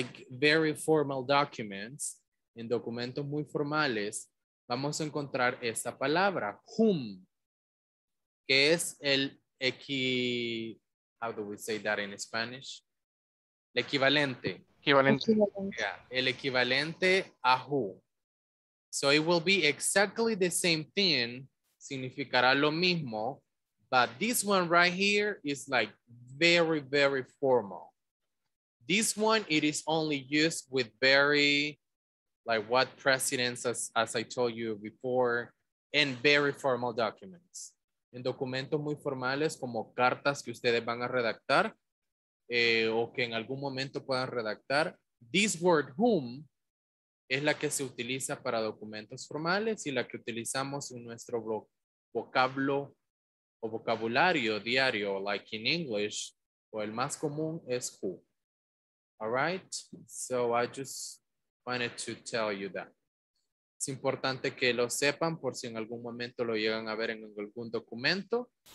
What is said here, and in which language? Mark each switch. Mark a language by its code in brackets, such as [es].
[en] very formal documents, [es] en documentos muy formales, vamos a encontrar esta palabra, whom, que es el equivalente. Yeah, el equivalente a who. [en] So it will be exactly the same thing, [es] significará lo mismo, [en] but this one right here is like very, very formal. This one, it is only used with very, like what precedents, as I told you before, and very formal documents. [es] En documentos muy formales, como cartas que ustedes van a redactar, o que en algún momento puedan redactar, [en] this word [es] whom es la que se utiliza para documentos formales y la que utilizamos en nuestro vocablo o vocabulario diario, [en] like in English, [es] o el más común es who. [en] All right, so I just wanted to tell you that. [es] Es importante que lo sepan por si en algún momento lo llegan a ver en algún documento.